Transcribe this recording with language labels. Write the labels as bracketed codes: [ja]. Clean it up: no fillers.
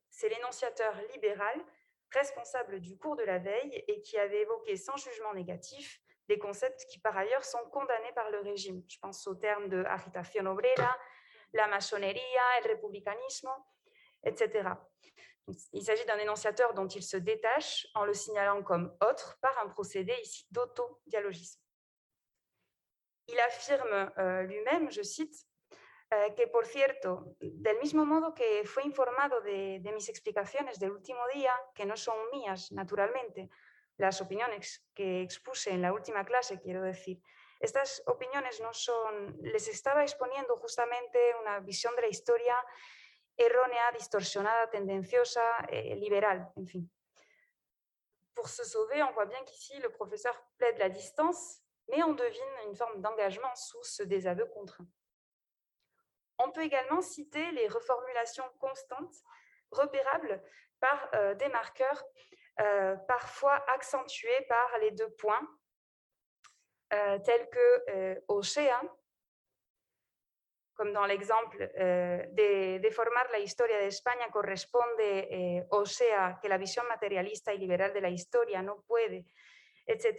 [fr] C'est l'énonciateur libéral, responsable du cours de la veille et qui avait évoqué sans jugement négatif des concepts qui, par ailleurs, sont condamnés par le régime. Je pense aux termes de agitación obrera, la maçonnerie, el republicanismo, etc. Il s'agit d'un énonciateur dont il se détache en le signalant comme autre par un procédé ici d'autodialogisme. Il affirme lui-même, je cite, que [es] por cierto, del mismo modo que fue informado de mis explicaciones del último día, que no son mías, naturalmente, las opiniones que expuse en la última clase, quiero decir, estas opiniones no son, les estaba exponiendo justamente una visión de la historia errónea, distorsionada, tendenciosa, liberal, en fin. [fr] Pour se sauver, on voit bien qu'ici, le professeur plaide la distance, mais on devine une forme d'engagement sous ce désaveu contraint. On peut également citer les reformulations constantes, repérables par des marqueurs, parfois accentués par les deux points, tels que « Ochea », comme dans l'exemple « [es] Deformar la historia de España corresponde Ochea, que la visión materialista y liberal de la historia no puede [fr] », etc.